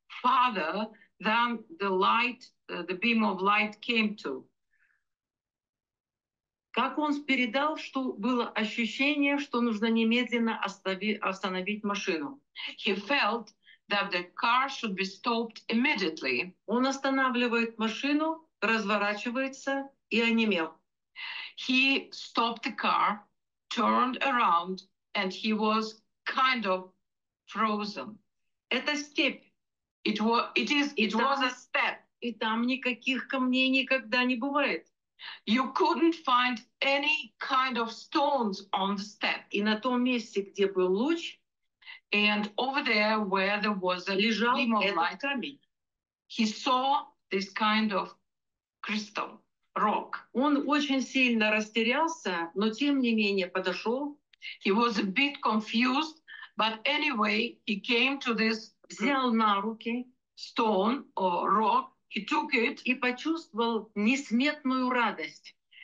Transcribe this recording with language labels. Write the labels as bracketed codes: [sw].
[en] Farther than the light. The beam of light came to. [ru] Как он передал, что было ощущение, что нужно немедленно остановить машину? [en] He felt that the car should be stopped immediately. [ru] Он останавливает машину, разворачивается и онемел. [en] He stopped the car, turned around, and he was kind of frozen. [ru] Это степь. [en] It was a step. [ru] И там никаких камней никогда не бывает. [en] You couldn't find any kind of stones on the step. [ru] И на том месте, где был луч, [en] and over there where there was a gleam of light, he saw this kind of crystal rock. [ru] Он очень сильно растерялся, но тем не менее подошел. [en] He was a bit confused, but anyway, he came to this [ru] взял на руки [en] stone or rock. He took it, [ru] и почувствовал несметную радость.